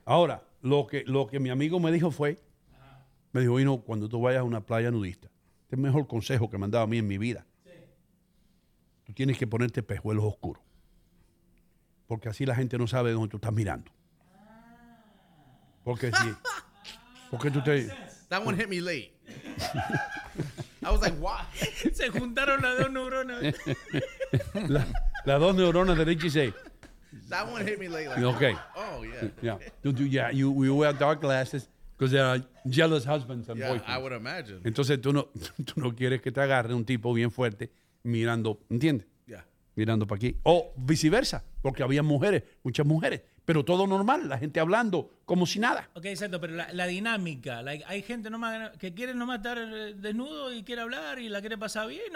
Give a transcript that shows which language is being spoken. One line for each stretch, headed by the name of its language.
Spanish: Ahora, lo que mi amigo me dijo fue, me dijo, vino, cuando tú vayas a una playa nudista, este es el mejor consejo que me han dado a mí en mi vida. Sí. Tú tienes que ponerte pejuelos oscuros. Porque así la gente no sabe de dónde tú estás mirando. Porque si... Porque tú te...
English: That one hit me late. I was like, what?
Spanish: Se juntaron las dos neuronas. Las dos neuronas de Richie say.
English: That one hit me late. Like, okay. Oh, yeah. Yeah. You wear dark glasses because they are jealous husbands and boyfriends. I would imagine.
Spanish: Entonces tú no quieres que te agarre un tipo bien fuerte mirando, ¿entiendes? Mirando para aquí. O viceversa, porque había mujeres, muchas mujeres, pero todo normal, la gente hablando como si nada. Ok, exacto, pero la dinámica, like, ¿hay gente nomás que quiere nomás estar desnudo y quiere hablar y la quiere pasar bien?